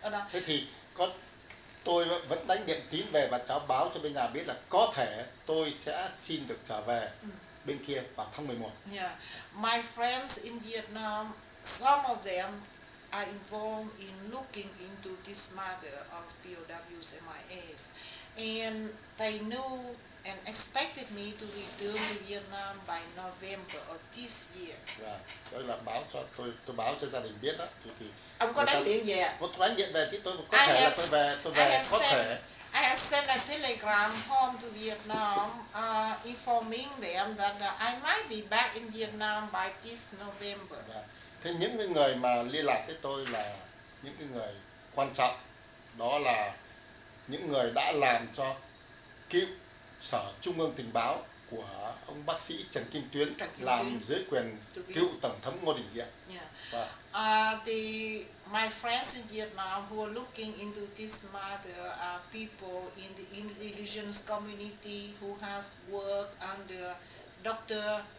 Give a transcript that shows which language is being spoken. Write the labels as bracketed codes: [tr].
[vi] Thế thì có tôi vẫn đánh điện tín về và cháu báo cho bên nhà biết là có thể tôi sẽ xin được trở về bên kia vào tháng 11. [en] Yeah. My friends in Vietnam, some of them are involved in looking into this matter of POWs and MIAs. And they knew and expected me to return to Vietnam by November of this year. [vi] Yeah, tôi là báo cho tôi báo cho gia đình biết đó. Thì ông có đánh điện về? Có đánh điện về chứ tôi có thể là tôi về có thể. [en] I have sent a telegram home to Vietnam, informing them that I might be back in Vietnam by this November. [vi] Thế những cái người mà liên lạc với tôi là những cái người quan trọng, đó là những người đã làm cho cựu Sở Trung ương Tình báo của ông bác sĩ Trần Kim Tuyến làm dưới quyền cựu Tổng thống Ngô Đình Diệm. [en] Yeah. My friends in Vietnam who are looking into this matter are people in the intelligence community who has worked under Dr.